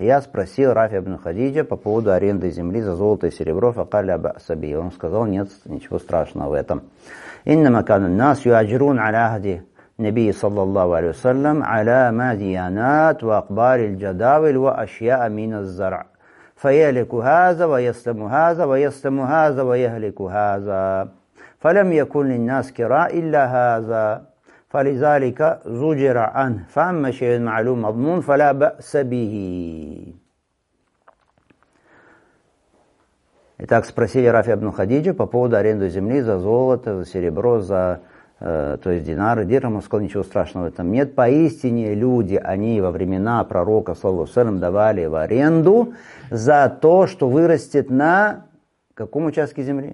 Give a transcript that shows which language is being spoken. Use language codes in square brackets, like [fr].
[ru] Я спросил Рафи ибн Хадиджа по поводу аренды земли за золото и серебро, [ar] факал ля ба-саби. [ru] Он сказал, нет, ничего страшного в этом. [ar] Иннама кана ан-нас юаджирун аля ахди Набии саллаллаху алейхи ва саллям аля ма диянат ва акбари аль-джадавиль ва ашьяа мин аз-зара. فيهلك هذا ويسلم هذا ويسلم هذا ويهلك هذا فلم يكن للناس كراء إلا هذا فلذلك زجر عنه فأما شيء معلوم مضمون فلا بأس به. [ru] Итак, спросили Рафи ибн Хадиджа по поводу аренды земли за золото, за серебро, за то есть динары, дирхамы, он сказал, ничего страшного в этом нет. Поистине люди, они во времена пророка, саллаллаху алейхи ва саллям, давали в аренду за то, что вырастет на каком участке земли?